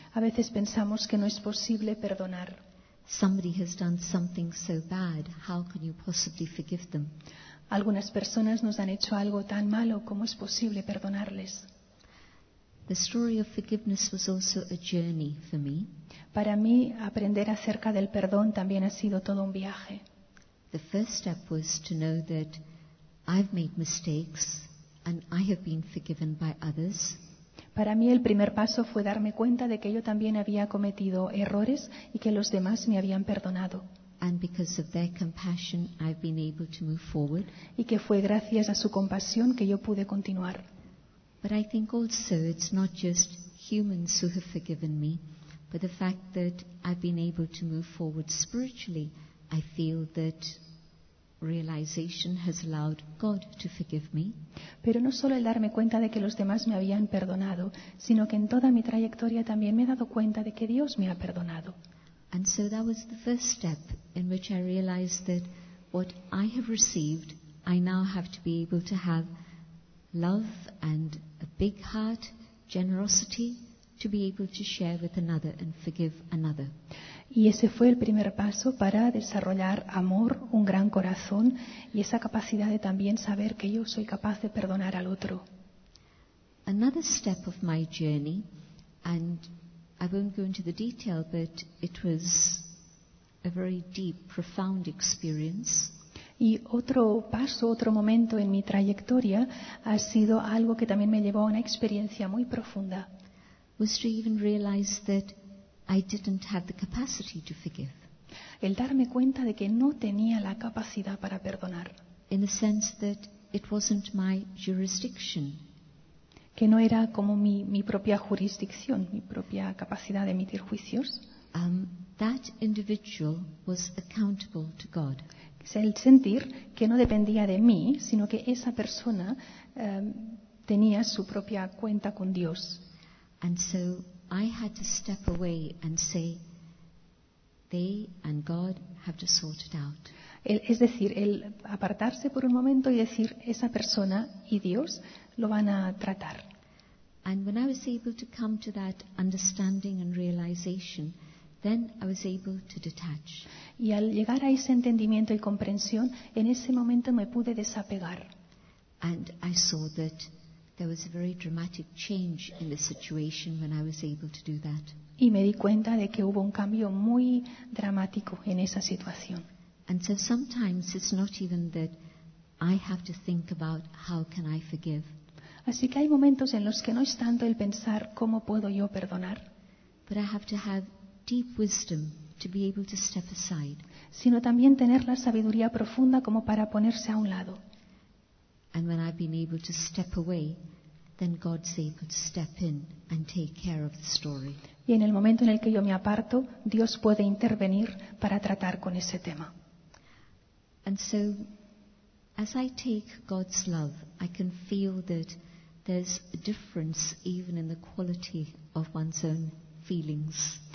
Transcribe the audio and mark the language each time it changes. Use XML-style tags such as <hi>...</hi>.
<es>A veces pensamos que no es posible perdonar.</es> <en>Somebody has done something so bad, how can you possibly forgive them?</en> <es>Algunas personas nos han hecho algo tan malo, ¿cómo es posible perdonarles?</es> <en>The story of forgiveness was also a journey for me.</en> <es>Para mí, aprender acerca del perdón también ha sido todo un viaje.</es> <en>The first step was to know that I've made mistakes and I have been forgiven by others.</en> <es>Para mí, el primer paso fue darme cuenta de que yo también había cometido errores y que los demás me habían perdonado.</es> <en>And because of their compassion, I've been able to move forward.</en> <es>Y que fue gracias a su compasión que yo pude continuar.</es> <en>But I think also it's not just humans who have forgiven me, but the fact that I've been able to move forward spiritually, I feel that realization has allowed God to forgive me.</en> <es>Pero no solo el darme cuenta de que los demás me habían perdonado, sino que en toda mi trayectoria también me he dado cuenta de que Dios me ha perdonado.</es> <en>And so that was the first step in which I realized that what I have received, I now have to be able to have love and a big heart, generosity, to be able to share with another and forgive another.</en> <es>Y ese fue el primer paso para desarrollar amor, un gran corazón y esa capacidad de también saber que yo soy capaz de perdonar al otro.</es> <en>Another step of my journey, and I won't go into the detail, but it was a very deep, profound experience.</en> <es>Y otro paso, otro momento en mi trayectoria ha sido algo que también me llevó a una experiencia muy profunda.</es> <en>Was to even realize that I didn't have the capacity to forgive.</en> <es>El darme cuenta de que no tenía la capacidad para perdonar.</es> <en>In the sense that it wasn't my jurisdiction.</en> <es>Que no era como mi propia jurisdicción, mi propia capacidad de emitir juicios.</es> <en>That individual was accountable to God.</en> <es>Es el sentir que no dependía de mí, sino que esa persona tenía su propia cuenta con Dios.</es> <en>And so I had to step away and say, they and God have to sort it out.</en> <es>Es decir, el apartarse por un momento y decir, esa persona y Dios lo van a tratar.</es> <en>And when I was able to come to that understanding and realization, then I was able to detach.</en> <es>Y al llegar a ese entendimiento y comprensión, en ese momento me pude desapegar.</es> <en>And I saw that there was a very dramatic change in the situation when I was able to do that.</en> <es>Y me di cuenta de que hubo un cambio muy dramático en esa situación.</es> <en>And so sometimes it's not even that I have to think about how can I forgive.</en> <es>Así que hay momentos en los que no es tanto el pensar cómo puedo yo perdonar.</es> <en>But I have to have deep wisdom to be able to step aside.</en> <es>Sino también tener la sabiduría profunda como para ponerse a un lado.</es> <en>And when I've been able to step away, then God's able to step in and take care of the story.</en> <es>Y en el momento en el que yo me aparto, Dios puede intervenir para tratar con ese tema.</es> <en>And so, as I take God's love, I can feel that there's a difference even in the quality of one's own feelings.</en>